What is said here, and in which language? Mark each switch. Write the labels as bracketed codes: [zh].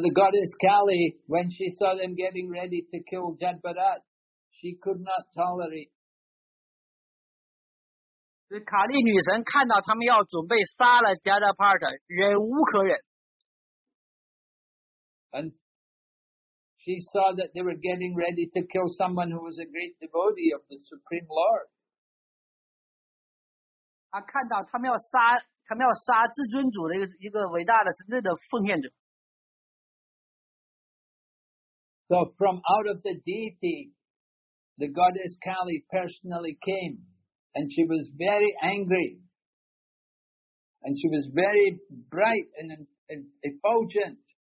[en] the goddess Kali, when she saw them getting ready to kill Jambarat, she could not tolerate. [zh] 卡利女神看到他们要准备杀了加德帕特，忍无可忍。 [en] And she saw that they were getting ready to kill someone who was a great devotee of the Supreme Lord. [zh] 她看到他们要杀至尊主的一个伟大的真正的奉献者。 [en] So from out of the deity, the goddess Kali personally came, and she was very angry, and she was very bright and effulgent.